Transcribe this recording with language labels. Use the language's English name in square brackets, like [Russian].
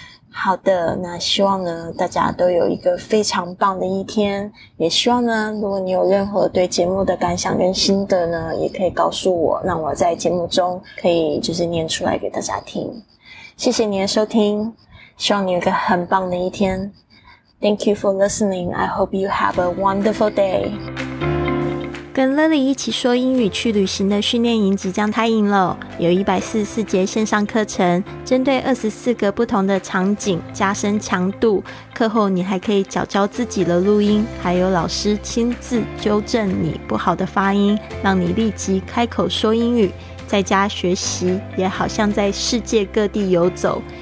[Chinese] 好的，那希望呢大家都有一个非常棒的一天，也希望呢如果你有任何对节目的感想跟心得呢也可以告诉我，让我在节目中可以就是念出来给大家听。谢谢你的收听，希望你有一个很棒的一天。 [English] Thank you for listening, I hope you have a wonderful day. [Chinese] 跟 Lily 一起说英语去旅行的训练营即将开营了，有144节线上课程，针对24个不同的场景加深强度，课后你还可以矫正自己的录音，还有老师亲自纠正你不好的发音，让你立即开口说英语，在家学习也好像在世界各地游走。